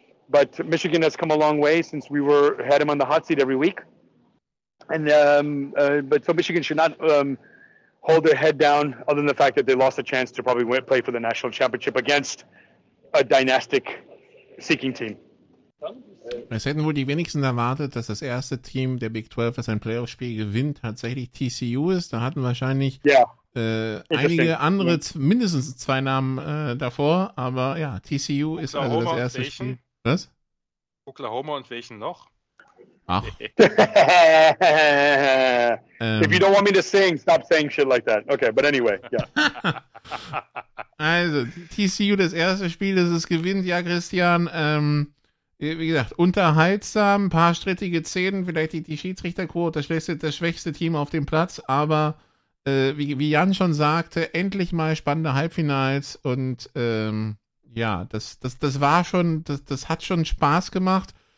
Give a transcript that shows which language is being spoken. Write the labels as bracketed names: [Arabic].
[English] But Michigan has come a long way since we were had him on the hot seat every week. And but so Michigan should not hold their head down, other than the fact that they lost a chance to probably play for the national championship against a dynastic seeking team. [German] Es hätten wohl die wenigsten erwartet, dass das erste Team der Big 12, das ein Playoff-Spiel gewinnt, tatsächlich TCU ist. Da hatten wahrscheinlich einige andere mindestens zwei Namen davor, aber ja, TCU Oklahoma ist also das erste Spiel. Was? Oklahoma und welchen noch? Ach. [English] If you don't want me to sing, stop saying shit like that. Okay, but anyway, yeah. [German] Also, TCU, das erste Spiel, das es gewinnt, ja, Christian, wie gesagt, unterhaltsam, paar strittige Szenen, vielleicht die Schiedsrichterquote, das schwächste Team auf dem Platz, aber wie Jan schon sagte, endlich mal spannende Halbfinals und ja, das war schon, das hat schon Spaß gemacht.